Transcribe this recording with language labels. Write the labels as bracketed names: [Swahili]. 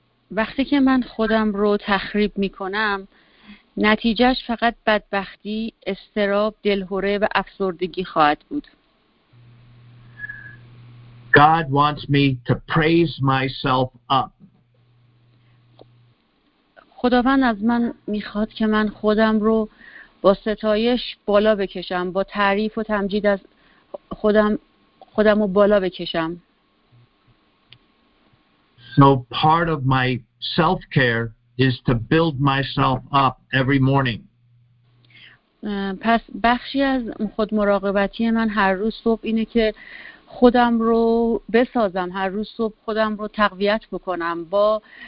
[Persian] وقتی که من خودم رو تخریب میکنم، نتیجهش فقط بدبختی، استراب، دلهوره و افسردگی خواهد بود. [English] God wants me to praise myself up. [Persian] خداوند از من میخواد که من خودم رو با ستایش بالا بکشم، با تعریف و تمجید از خودم رو بالا بکشم. [English] So part of my self-care is to build myself up every morning. [Persian] پس بخشی از خود مراقبتی من هر روز صبح اینه که خودم رو بسازم، هر روز صبح خودم رو تقویت بکنم با